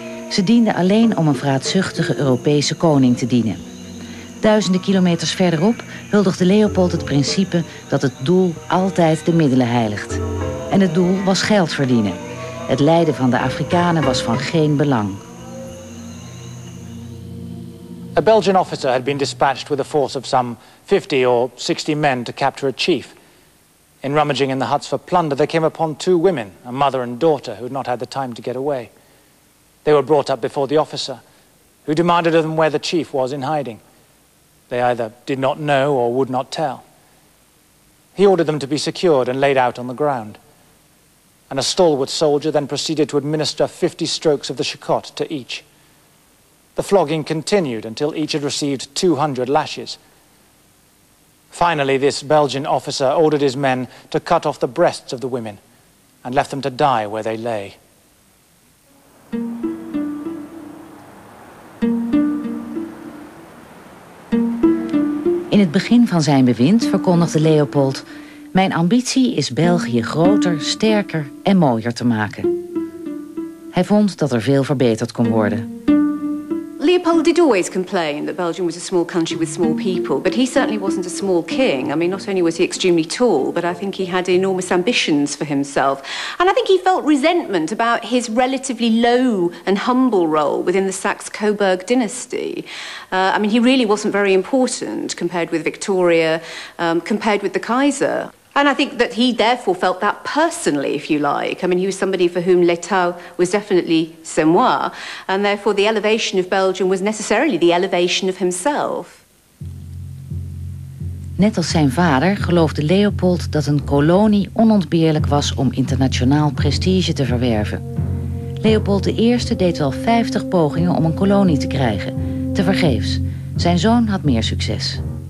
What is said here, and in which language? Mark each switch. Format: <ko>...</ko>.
<nl>Ze dienden alleen om een vraatzuchtige Europese koning te dienen. Duizenden kilometers verderop huldigde Leopold het principe dat het doel altijd de middelen heiligt. En het doel was geld verdienen. Het lijden van de Afrikanen was van geen belang.</nl> <en>A Belgian officer had been dispatched with a force of some 50 or 60 men to capture a chief. In rummaging in the huts for plunder, they came upon two women, a mother and daughter, who had not had the time to get away. They were brought up before the officer, who demanded of them where the chief was in hiding. They either did not know or would not tell. He ordered them to be secured and laid out on the ground. And a stalwart soldier then proceeded to administer 50 strokes of the shakot to each. The flogging continued until each had received 200 lashes. Finally, this Belgian officer ordered his men to cut off the breasts of the women and left them to die where they lay.</en> <nl>In het begin van zijn bewind verkondigde Leopold: Mijn ambitie is België groter, sterker en mooier te maken. Hij vond dat er veel verbeterd kon worden.</nl> <en>Leopold did always complain that Belgium was a small country with small people, but he certainly wasn't a small king. I mean, not only was he extremely tall, but I think he had enormous ambitions for himself. And I think he felt resentment about his relatively low and humble role within the Saxe-Coburg dynasty. I mean, he really wasn't very important compared with Victoria, compared with the Kaiser. And I think that he therefore felt that personally, if you like. I mean, he was somebody for whom</en> <fr>l'état</fr> <en>was definitely</en> <fr>c'est moi.</fr> <en>And therefore the elevation of Belgium was necessarily the elevation of himself.</en> <nl>Net als zijn vader geloofde Leopold dat een kolonie onontbeerlijk was om internationaal prestige te verwerven. Leopold I deed wel 50 pogingen om een kolonie te krijgen. Tevergeefs. Zijn zoon had meer succes.</nl>